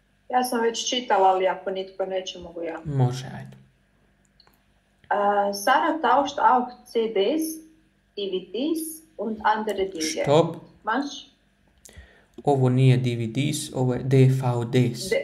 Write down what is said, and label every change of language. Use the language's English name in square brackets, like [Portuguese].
[Croatian] Ja sam već čitala, ali ako nitko neće, mogu ja. Može, ajde. [German] Sara tauscht auch CDs, DVDs und andere Dinge. Stop. Was? [Croatian] Ovo nije DVDs, ovo je DVDs.